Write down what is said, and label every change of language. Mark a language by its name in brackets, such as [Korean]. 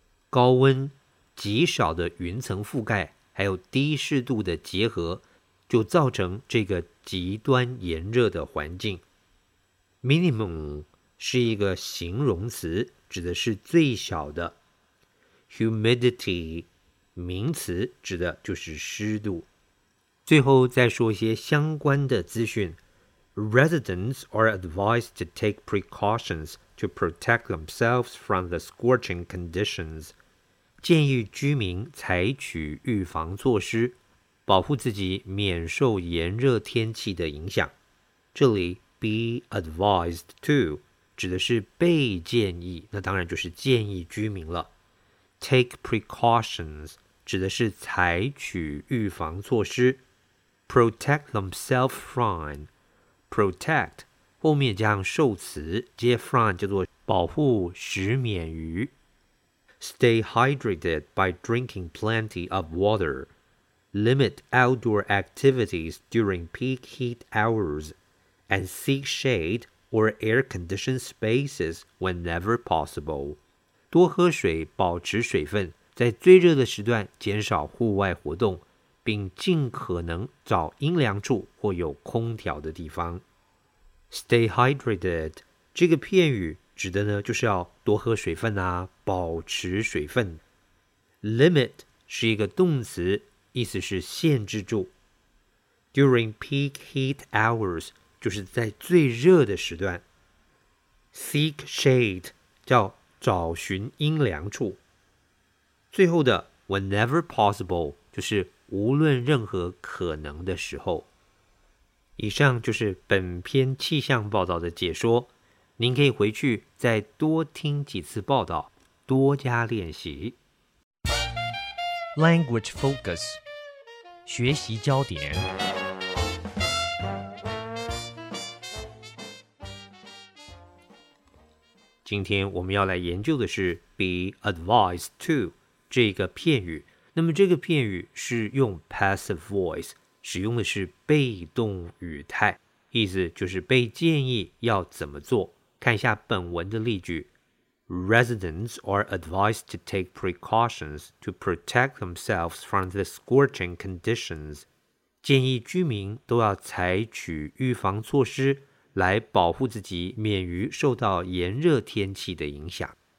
[Chinese] 高温、极少的云层覆盖，还有低湿度的结合，就造成这个极端炎热的环境。 Minimum 是一个形容词，指的是最小的。 Humidity. 名词指的就是湿度。最后再说一些相关的资讯。 [English] Residents are advised to take precautions to protect themselves from the scorching conditions. [Chinese] 建议居民采取预防措施，保护自己免受炎热天气的影响。这里 be advised to 指的是被建议，那当然就是建议居民了。 [English] Take precautions [Chinese] 指的是采取预防措施 [English] Protect themselves from Protect [Chinese] 后面加上受词接 from 叫做保护时免于 [English] Stay hydrated by drinking plenty of water. Limit outdoor activities during peak heat hours and seek shade or air-conditioned spaces whenever possible. [Chinese] 多喝水保持水分在最热的时段减少户外活动并尽可能找阴凉处或有空调的地方。 Stay hydrated 这个片语指的呢就是要多喝水分啊保持水分。 Limit 是一个动词意思是限制住。 [English] During peak heat hours [Chinese] 就是在最热的时段。 Seek shade 叫找寻阴凉处。最后的 whenever possible 就是无论任何可能的时候。以上就是本篇气象报道的解说，您可以回去再多听几次报道，多加练习。 Language Focus 学习焦点。今天我们要来研究的是 be advised to 这个片语，那么这个片语是用 passive voice使用的是被动语态，意思就是被建议要怎么做。看一下本文的例句 [English] Residents are advised to take precautions to protect themselves from the scorching conditions. [Chinese] 建议居民都要采取预防措施来保护自己免于受到炎热天气的影响。